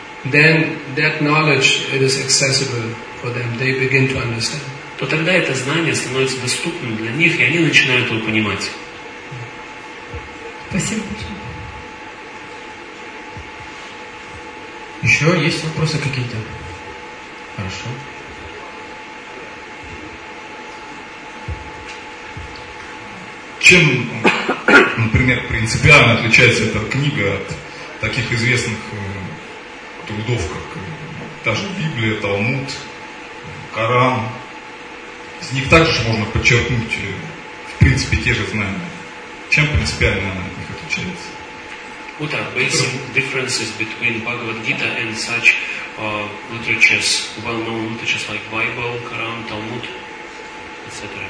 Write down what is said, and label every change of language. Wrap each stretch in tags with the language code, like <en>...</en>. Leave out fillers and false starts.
<en>Then that knowledge it is accessible for them. They begin to understand.</en> <ru>То тогда это знание становится доступным для них, и они начинают его понимать. Спасибо большое. Еще есть вопросы какие-то? Хорошо. Чем, например, принципиально отличается эта книга от таких известных трудов, как та же Библия, Талмуд, Коран? Из них также же можно подчеркнуть, в принципе, те же знания. Чем принципиально она от них отличается?</ru> <en>What are basic differences between Bhagavad Gita and such literatures, well-known literatures like Bible, Quran, Talmud, etc.?</en>